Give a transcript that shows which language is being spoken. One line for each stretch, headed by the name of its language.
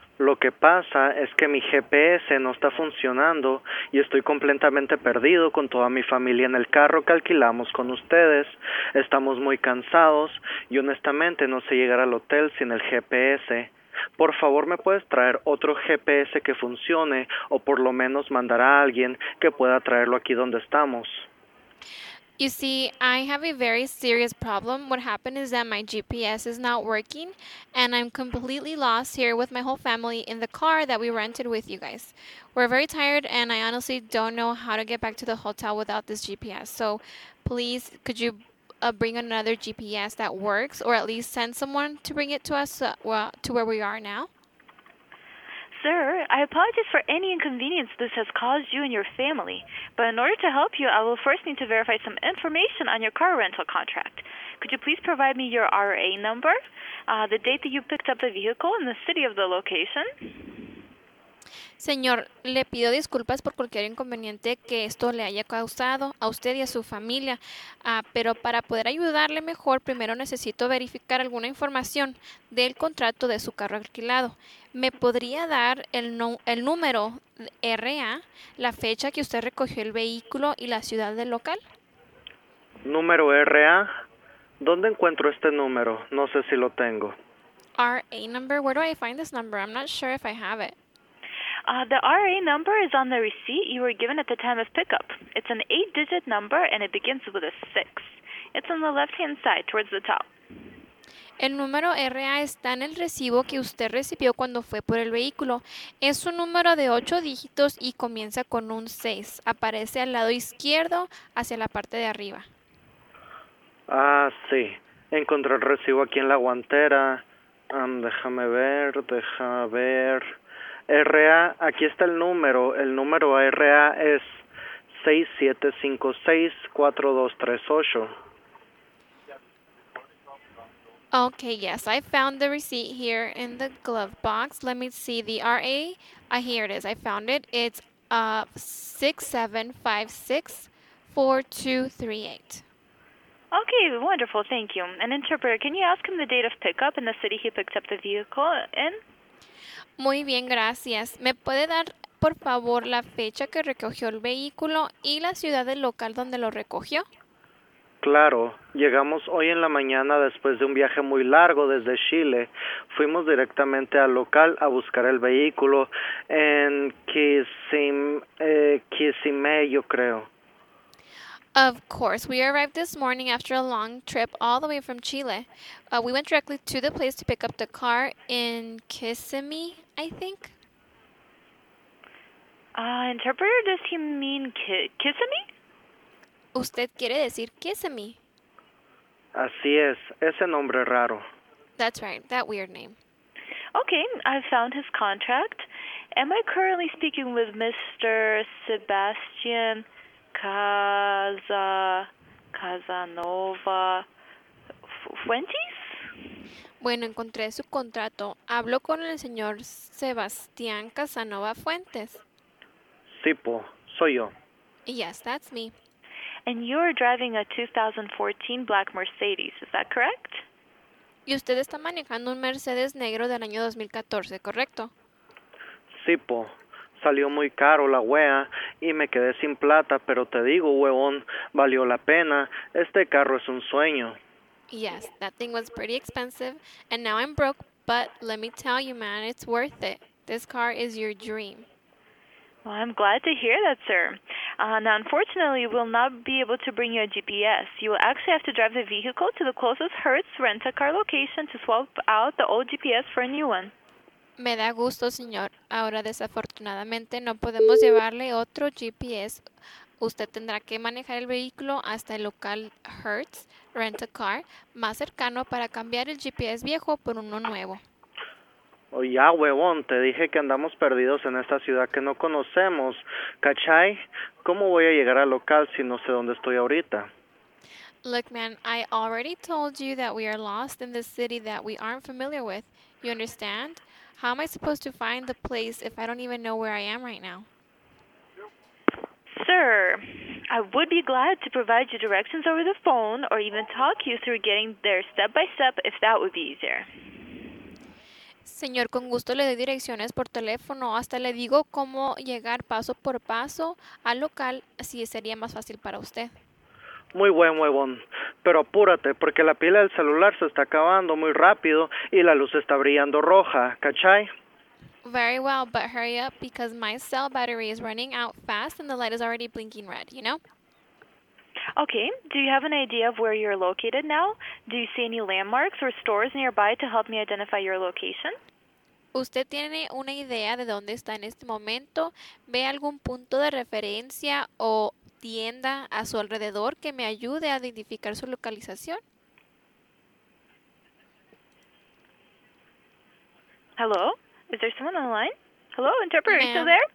Spanish: Lo que pasa es que mi GPS no está funcionando y estoy completamente perdido con toda mi familia en el carro que alquilamos con ustedes. Estamos muy cansados y honestamente no sé llegar al hotel sin el GPS. Por favor, ¿me puedes traer otro GPS que funcione o por lo menos mandar a alguien que pueda traerlo aquí donde estamos?
English: You see, I have a very serious problem. What happened is that my GPS is not working, and I'm completely lost here with my whole family in the car that we rented with you guys. We're very tired, and I honestly don't know how to get back to the hotel without this GPS. So please, could you bring another GPS that works, or at least send someone to bring it to us to where we are now? Sir, I apologize for any inconvenience this has caused you and your family, but in order to help you, I will first need to verify some information on your car rental contract. Could you please provide me your RA number, the date that you picked up the vehicle, and the city of the location?
Spanish: Señor, le pido disculpas por cualquier inconveniente que esto le haya causado a usted y a su familia, pero para poder ayudarle mejor, primero necesito verificar alguna información del contrato de su carro alquilado. ¿Me podría dar el número RA, la fecha que usted recogió el vehículo y la ciudad del local? ¿Número RA? ¿Dónde encuentro este número? No sé si lo tengo.
English: RA number? Where do I find this number? I'm not sure if I have it. The RA number is on the receipt you were given at the time of pickup. It's an 8-digit number, and it begins with a 6. It's on the left-hand side, towards the top.
Spanish: El número RA está en el recibo que usted recibió cuando fue por el vehículo. Es un número de 8 dígitos y comienza con un 6. Aparece al lado izquierdo, hacia la parte de arriba. Ah, sí. Encontré el recibo aquí en la guantera. Déjame ver... RA, aquí está el número RA es 67564238.
English: Okay, yes, I found the receipt here in the glove box. Let me see the RA. Here it is. I found it. It's 67564238. Okay, wonderful. Thank you. An interpreter, can you ask him the date of pickup in the city he picked up the vehicle in?
Spanish: Muy bien, gracias. ¿Me puede dar, por favor, la fecha que recogió el vehículo y la ciudad del local donde lo recogió? Claro. Llegamos hoy en la mañana después de un viaje muy largo desde Chile. Fuimos directamente al local a buscar el vehículo en Kissimmee, yo creo.
English: Of course. We arrived this morning after a long trip all the way from Chile. We went directly to the place to pick up the car in Kissimmee, I think. Interpreter, does he mean Kissimmee?
Spanish: Usted quiere decir Kissimmee. Así es. Ese nombre raro.
English: That's right. That weird name. Okay. I've found his contract. Am I currently speaking with Mr. Sebastian Casanova Fuentes?
Spanish: Bueno, encontré su contrato. Hablo con el señor Sebastián Casanova Fuentes. Sí, po. Soy yo.
English: Yes, that's me. And you're driving a 2014 black Mercedes, is that correct?
Spanish: Y usted está manejando un Mercedes negro del año 2014, ¿correcto? Sí, po. Salió muy caro la wea y me quedé sin plata, pero te digo, huevón, valió la pena. Este carro es un sueño.
English: Yes, that thing was pretty expensive, and now I'm broke, but let me tell you, man, it's worth it. This car is your dream. Well, I'm glad to hear that, sir. Now, unfortunately, we'll not be able to bring you a GPS. You will actually have to drive the vehicle to the closest Hertz rent-a-car location to swap out the old GPS for a new one.
Spanish: Me da gusto, señor. Ahora, desafortunadamente, no podemos llevarle otro GPS. Usted tendrá que manejar el vehículo hasta el local Hertz Rent a Car más cercano para cambiar el GPS viejo por uno nuevo. Oh, ya, huevón, te dije que andamos perdidos en esta ciudad que no conocemos. ¿Cachai? ¿Cómo voy a llegar al local si no sé dónde estoy ahorita?
English: Look, man, I already told you that we are lost in this city that we aren't familiar with. You understand? How am I supposed to find the place if I don't even know where I am right now? Sir, I would be glad to provide you directions over the phone or even talk you through getting there step by step if that would be easier.
Spanish: Señor, con gusto le doy direcciones por teléfono. Hasta le digo cómo llegar paso por paso al local si sería más fácil para usted. Muy buen huevón, pero apúrate porque la pila del celular se está acabando muy rápido y la luz está brillando roja, ¿cachai?
English: Very well, but hurry up because my cell battery is running out fast and the light is already blinking red, you know? Okay, do you have an idea of where you're located now? Do you see any landmarks or stores nearby to help me identify your location?
Spanish: ¿Usted tiene una idea de dónde está en este momento? ¿Ve algún punto de referencia o tienda a su alrededor que me ayude a identificar su localización?
English: Hello? Is there someone online? Hello, interpreter, are you still there?